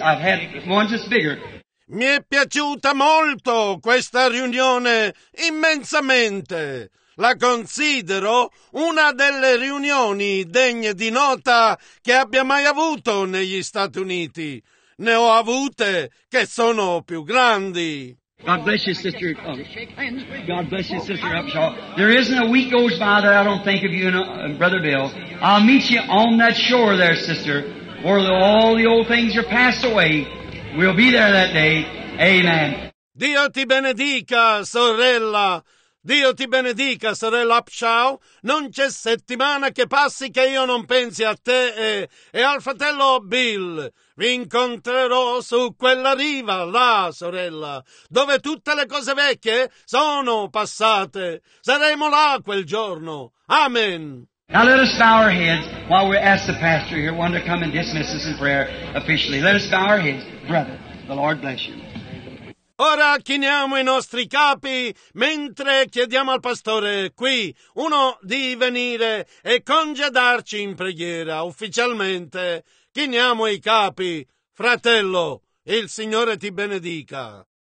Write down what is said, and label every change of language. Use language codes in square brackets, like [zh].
[en] I've had one just bigger. [it] Mi è piaciuta molto questa riunione, immensamente. La considero una delle riunioni degne di nota che abbia mai avuto negli Stati Uniti. Ne ho avute che sono più grandi. [en] God bless you, sister. God bless you, sister Upshaw. There isn't a week goes by that I don't think of you and Brother Bill. I'll meet you on that shore there, sister, where all the old things are passed away. We'll be there that day. Amen. [it] Dio ti benedica, sorella. Dio ti benedica, sorella Upshaw. Non c'è settimana che passi che io non pensi a te e al fratello Bill. Vi incontrerò su quella riva, là, sorella, dove tutte le cose vecchie sono passate. Saremo là quel giorno. Amen. [en] Now let us bow our heads while we ask the pastor here one to come and dismiss us in prayer officially. Let us bow our heads, brother. The Lord bless you. [it] Ora chiniamo i nostri capi mentre chiediamo al pastore qui uno di venire e congedarci in preghiera ufficialmente. Chiniamo i capi. Fratello, il Signore ti benedica.